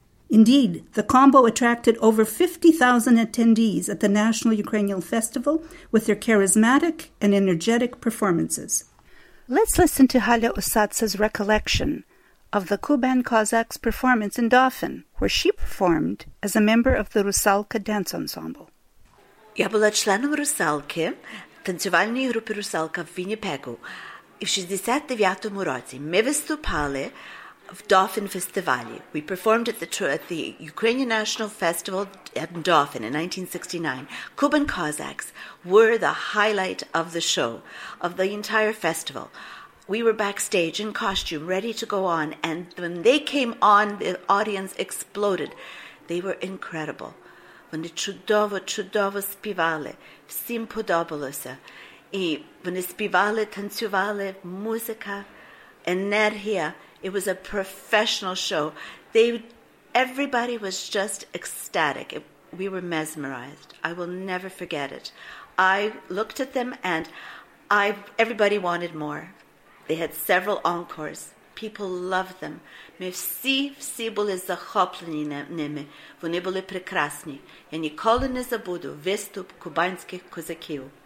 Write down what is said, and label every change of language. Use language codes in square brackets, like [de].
[en] Indeed, the combo attracted over 50,000 attendees at the National Ukrainian Festival with their charismatic and energetic performances. Let's listen to Halya Usatsa's recollection of the Kuban Cossacks performance in Dauphin, where she performed as a member of the Rusalka dance ensemble. [uk] Я була членом Русалки, танцювальної групи Русалка в Вінніпегу. І в 69-му році ми виступали в Dauphin Festival. [en] We performed at the Ukrainian National Festival in Dauphin in 1969. Kuban Cossacks were the highlight of the show, of the entire festival. We were backstage in costume, ready to go on, and when they came on, the audience exploded. They were incredible. [uk] Вони чудово, чудово співали, всім подобалося. І вони співали, танцювали, музика, енергія. [en] It was a professional show. Everybody was just ecstatic. We were mesmerized. I will never forget it. I looked at them and everybody wanted more. They had several encores. People loved them. [uk] Ми всі, всі були захоплені ними. Вони були прекрасні. Я ніколи не забуду виступ кубанських козаків.